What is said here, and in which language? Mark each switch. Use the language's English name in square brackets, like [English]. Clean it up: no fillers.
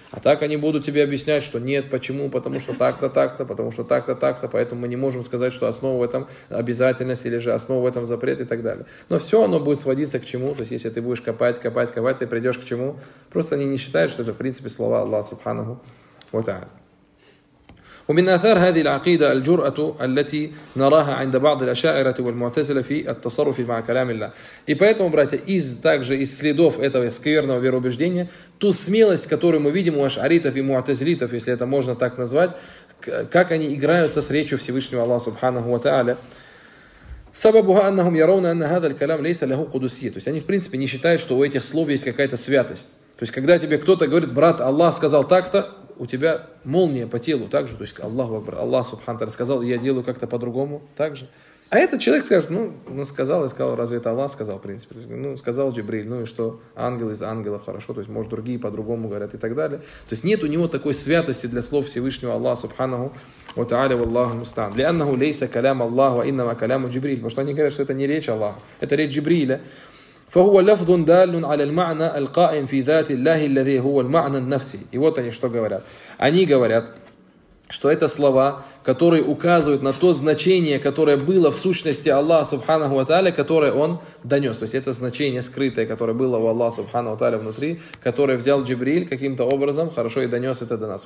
[Russian] А так они будут тебе объяснять, что нет, почему, потому что так-то, так-то, потому что так-то, так-то, поэтому мы не можем сказать, что основа в этом обязательность или же основа в этом запрет и так далее. Но все оно будет сводиться к чему? То есть если ты будешь копать, копать, копать, ты придешь к чему? Просто они не считают, что это в принципе слова Аллаха Субханаху ва тааля. [Arabic] ومن آثار هذه العقيدة الجرأة التي نراها عند بعض الأشاعرة والمعتزلة في التصرف مع كلام الله. [Russian] И поэтому, братья, из также из следов этого скверного вероубеждения ту смелость, которую мы видим у ашаритов и муатазилитов, если это можно так назвать, как они играются с речью Всевышнего Аллаха Субханаху ва Тааля. [Arabic] سببها أنهم يرون أن هذا الكلام ليس له قدسية. [Russian] То есть они в принципе не считают, что у этих слов есть какая-то святость. То есть когда тебе кто-то говорит, брат, Аллах сказал так-то, у тебя молния по телу так же, то есть Аллах, Аллах Субхану Тааля сказал, я делаю как-то по-другому, так же. А этот человек скажет, ну сказал, я сказал, разве это Аллах сказал, в принципе? Ну, сказал Джибриль, ну и что, ангел из ангелов, хорошо, то есть может другие по-другому говорят и так далее. То есть нет у него такой святости для слов Всевышнего Аллаха Субханаху ва Тааля ва Аллаху мустаан. [Arabic] Ли аннаху лейса калям Аллаху, а иннама калям Джибриль. [Russian] Потому что они говорят, что это не речь Аллаха, это речь Джибриля. [Arabic] فهو لفظ دال على المعنى القائم في ذات الله الذي هو المعنى النفسي. [Russian] И вот они что говорят. Они говорят, что это слова, которые указывают на то значение, которое было в сущности Аллаха Субханаху ва Тааля, которое он донес. То есть это значение скрытое, которое было у Аллаха Субханаху ва Тааля внутри, которое взял Джибриль каким-то образом, хорошо, и донес это до нас.